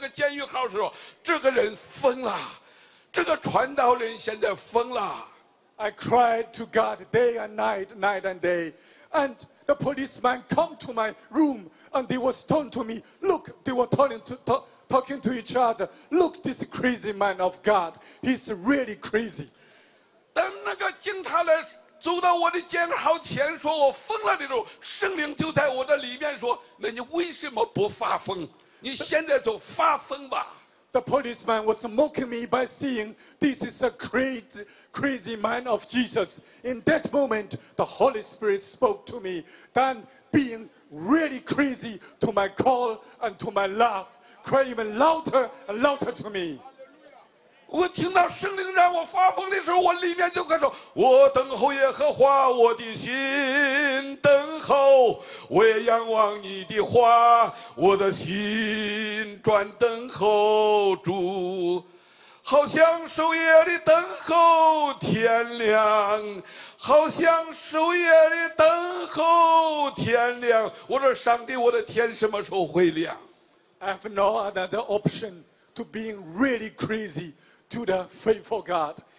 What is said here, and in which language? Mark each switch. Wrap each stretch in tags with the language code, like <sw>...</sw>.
<zh>在那个深夜中，我第一次听到警察跑进那个看守人员跑进我那个监狱号的时候，这个人疯了。这个传道人现在疯了。</zh> <en>I cried to God day and night, night and day. And the policeman come to my room and they were talking to me. Look, they were talking to each other. Look, this crazy man of God. He's really crazy.</en> <zh>当那个警察来走到我的监号前说我疯了的时候，圣灵就在我的里面说：“那你为什么不发疯？你现在就发疯吧。”</zh> <en>The policeman was mocking me by saying, this is a crazy man of Jesus. In that moment, the Holy Spirit spoke to me. Then being really crazy to my call and to my love, cry even louder and louder to me.</en> <zh>我听到圣灵让我发疯的时候，我里面就开始，我等候耶和华，我的心等候。候，我也仰望你的话，我的心专等候主，好像守夜的等候天亮，好像守夜的等候天亮。我说上帝，我的天什么时候会亮？</zh> <en>I have no other option to being really crazy to the faithful God.</en>